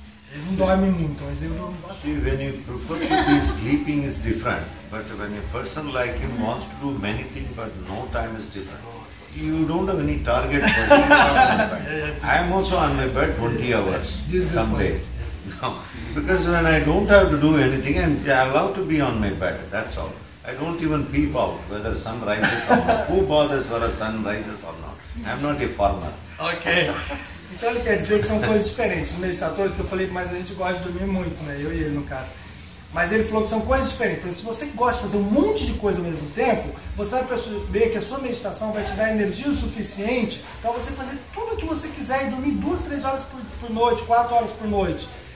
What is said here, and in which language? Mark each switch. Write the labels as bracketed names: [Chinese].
[Portuguese] Eles não dormem muito, mas eu dormo bastante. [English] See, when you prefer to be sleeping is different, but when a person like him wants to do many things but no time is different. You don't have any target for me. I'm also on my bed 20 hours some days. Because when I don't have to do anything, I'm allowed to be on my bed, that's all. I don't even peep out whether sun rises or not. Who bothers whether sun rises or not? I'm not a farmer. Okay. [Portuguese] Então ele quer dizer que são coisas diferentes. Os meditadores, que eu falei, mas a gente gosta de dormir muito, né? Eu e ele, no caso. Mas ele falou que são coisas diferentes. Então, se você gosta de fazer um monte de coisa ao mesmo tempo, você vai perceber que a sua meditação vai te dar energia o suficiente para você fazer tudo o que você quiser e dormir 2, 3 horas por noite, 4 horas por noite.